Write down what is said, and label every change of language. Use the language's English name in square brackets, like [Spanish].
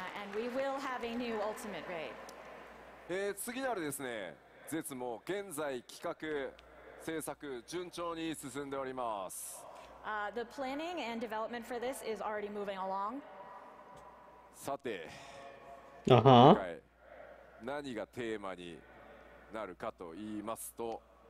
[English] And we will have a new ultimate raid. [Japanese] 次なるですね、 絶も現在企画、制作順調に進んでおります。 [English] The planning and development for this is already moving along. [Japanese] さて、 何がテーマになるかと言いますと、